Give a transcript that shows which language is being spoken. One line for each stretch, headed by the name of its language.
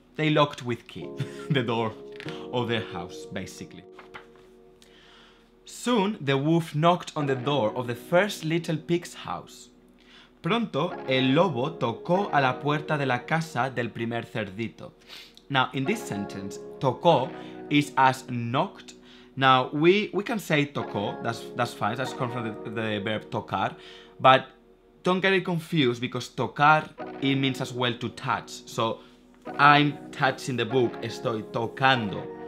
English: They locked with key the door of their house, basically. Soon, the wolf knocked on the door of the first little pig's house.
Spanish: Pronto, el lobo tocó a la puerta de la casa del primer cerdito.
English: Now, in this sentence, tocó is as knocked. Now, we can say tocó, that's fine, that's come from the verb tocar, but don't get it confused, because tocar, it means as well to touch. So, I'm touching the book,
Spanish: estoy tocando.